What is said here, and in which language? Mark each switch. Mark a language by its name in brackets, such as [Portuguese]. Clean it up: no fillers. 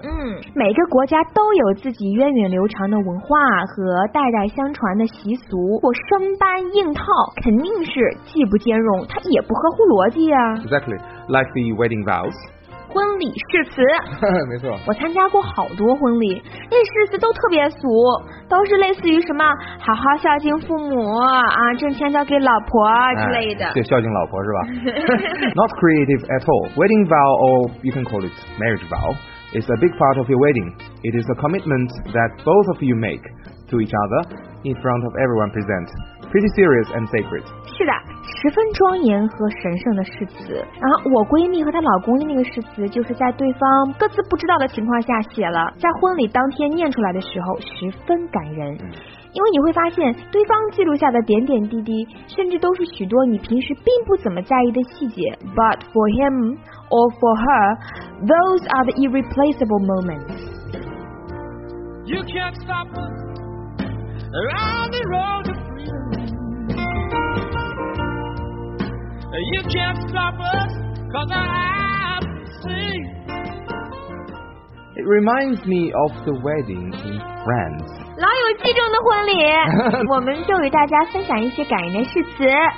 [Chinese] 嗯，每个国家都有自己源远流长的文化和代代相传的习俗，或生搬硬套，肯定是既不兼容，它也不合乎逻辑啊。 [English] Exactly, like the wedding vows. [Chinese] 婚礼誓词，没错，我参加过好多婚礼，那誓词都特别俗，都是类似于什么好好孝敬父母啊，挣钱交给老婆之类的，对，孝敬老婆是吧 [English] Not creative at all. Wedding vow, or you can call it marriage vow, is a big part of your wedding. It is a commitment that both of you make to each other in front of everyone present. Pretty serious and sacred. [Chinese] 是的，十分庄严和神圣的誓词。然后我闺蜜和她老公的那个誓词，就是在对方各自不知道的情况下写了，在婚礼当天念出来的时候十分感人，因为你会发现对方记录下的点点滴滴，甚至都是许多你平时并不怎么在意的细节。 [English] But for him or for her, those are the irreplaceable moments. You can't stop us around the road to freedomYou can't stop us, 'cause I have to see. It reminds me of the wedding in France. [Chinese] 老友记中的婚礼我们就与大家分享一些感人的誓词。